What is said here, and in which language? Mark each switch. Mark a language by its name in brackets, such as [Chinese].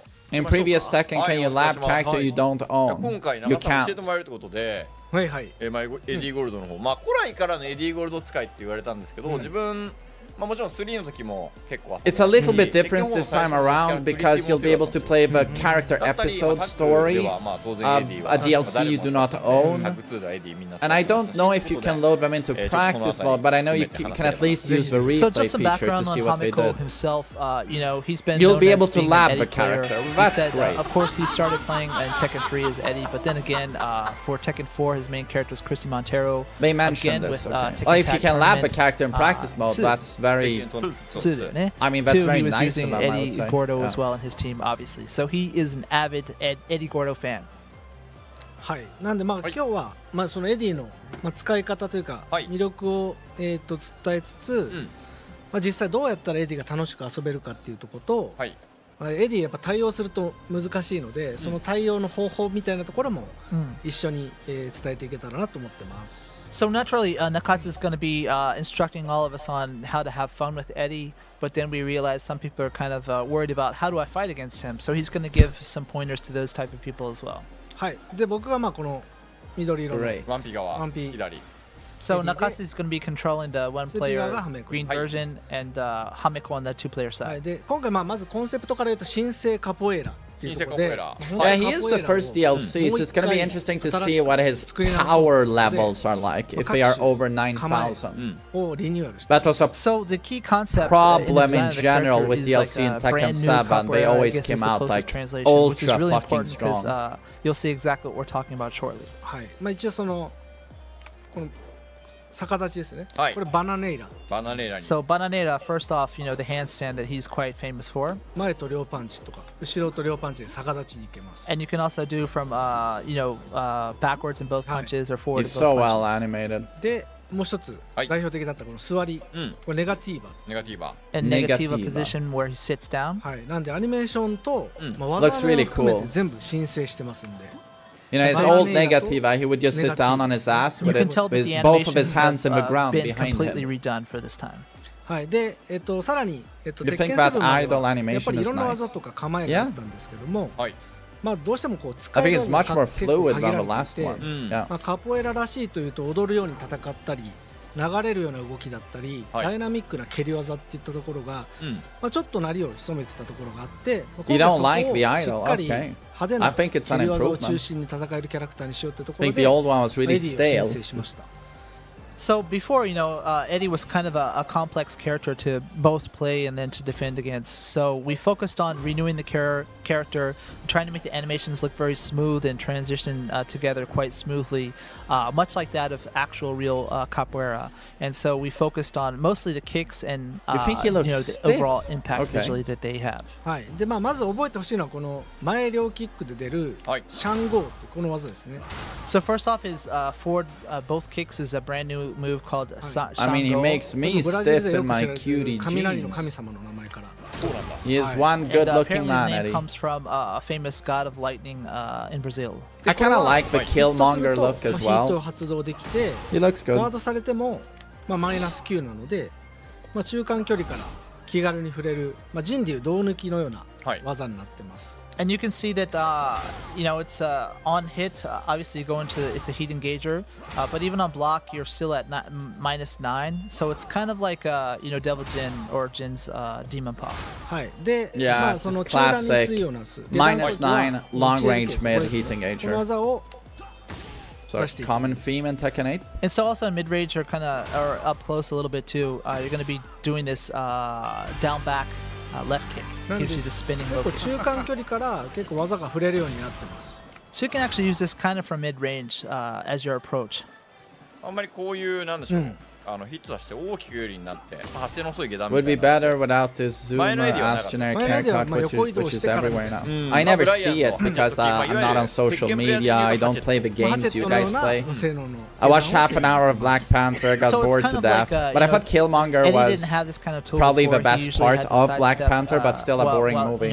[English] In previous Tekken, can you lab character you don't own? You can't. [Japanese] はいはい。まあエディゴールドの方、まあ古来からのエディゴールド使いって言われたんですけど、自分まあ、もちろん3の時も結構あった。 [English] It's a little bit different this time around because you'll be able to play the character episode story of a DLC you do not own. And I don't know if you can load them into practice mode, but I know you can at least use the replay feature to see what they did. So just some background on Hameko himself, you know, he's been You'll be able to lab the character. That's great. He said, of course, he started playing in Tekken 3 as Eddy, but then again, for Tekken 4, his main character was Christy Montero. They mentioned this, okay. Well, if you can lab a character in practice mode, that's... Very, I mean, that's very nice of him. He was using Eddy Gordo as well in his team, obviously. So he is an avid Eddy Gordo fan. [Japanese] はい。なんでまあ今日はまあそのエディの使い方というか魅力を伝えつつ、まあ実際どうやったらエディが楽しく遊べるかっていうところと、エディやっぱ対応すると難しいので、うん、その対応の方法みたいなところも一緒に、うん、伝えていけたらなと思ってます。 [English] So naturally, Nakatsu is going to be instructing all of us on how to have fun with Eddy, but then we realize some people are kind of worried about how do I fight against him. So he's going to give some pointers to those type of people as well. [Japanese] はい。で僕はまあこの緑色のワンピ側、ワンピ左。 [English] So Nakatsu is going to be controlling the one player green version and Hameko on the two player side. [Japanese] Yeah, で今回まずコンセプトから言うと新生カポエラ。新生カポエラ。 [English] Yeah, he is the first DLC, so it's going to be interesting to see what his power levels are like if they are over 9,000. That was a problem in general with DLC in Tekken 7. They always came out like ultra fucking strong. You'll see exactly what we're talking about shortly. [Japanese] まあ一応その逆立ちですね。はい。これバナネイラ。バナネイラに。 [English] So Bananeira, first off, you know the handstand that he's quite famous for. [Japanese] 前と両パンチとか、後ろと両パンチで逆立ちに行けます。 [English] And you can also do from, you know, backwards in both punches、はい、or forwards. He's so well animated. [Japanese] で、もう一つ代表的だったこの座り。うん。これネガティーバ。ネガティーバ。 [English] And negative position where he sits down. [Japanese] はい。なんでアニメーションと、うん、まあ、技を含めて全部申請してますんで。 [English] You know, his old negativa, he would just sit down on his ass with, it, with both of his hands in the ground behind him. Completely redone for this time. [Japanese] はい。で、さらに、 [English] You think that idol animation is nice? [Japanese] やっぱりいろんな技とか構えがあったんですけども、はい。まあどうしてもこう使い方が結構限られてきて、まあカポエラらしいというと踊るように戦ったり、流れるような動きだったり、ダイナミックな蹴り技っていったところが、まあちょっとなりを潜めてたところがあって、 [English] You don't like the idol, okay? I think it's an improvement. I think the old one was really stale. So before, you know, Eddy was kind of a complex character to both play and then to defend against. So we focused on renewing the character, trying to make the animations look very smooth and transition together quite smoothly, much like that of actual real capoeira. And so we focused on mostly the kicks and you know, the overall impact visually that they have. [Japanese] はい。で、まあ、まず覚えてほしいのはこの前両キックで出るシャンゴーってこの技ですね。 [English] So first off is forward both kicks is a brand new move called Shango. I mean, he makes me stiff in my cutie jeans. He is one good-looking man, Eddy. His name comes from a famous god of lightning in Brazil. I kind of like the Killmonger look as well. He looks good. [Japanese] ガードされても、まあ、マイナス9なので、まあ、中間距離から気軽に触れる、まあ、ジンでいう胴抜きのような技になってます。はい。 [English] And you can see that, you know, it's on hit, obviously you go into, the, it's a heat engager, but even on block, you're still at minus 9, so it's kind of like, you know, Devil Jin or Jin's Demon Pop. Yeah, it's classic. Minus 9, long range mid heat engager. So a common theme in Tekken 8. And so also in mid range, you're kind of up close a little bit too. You're going to be doing this down back. Left kick gives you the spinning low kick. [Japanese] 中間距離から結構技が触れるようになってます。 [English] So you can actually use this kind of from mid range as your approach. [Japanese] あんまりこういうなんでしょう、うん、あのヒット出して大きく有利になって、まあ、発生の遅い下段。 [English] Would be better without this zoomer as generic haircut, which is everywhere now. I never see it because I'm not on social media. I don't play the games you guys play. I watched half an hour of Black Panther, got bored to death. But I thought Killmonger was probably the best part of Black Panther, but still a boring movie.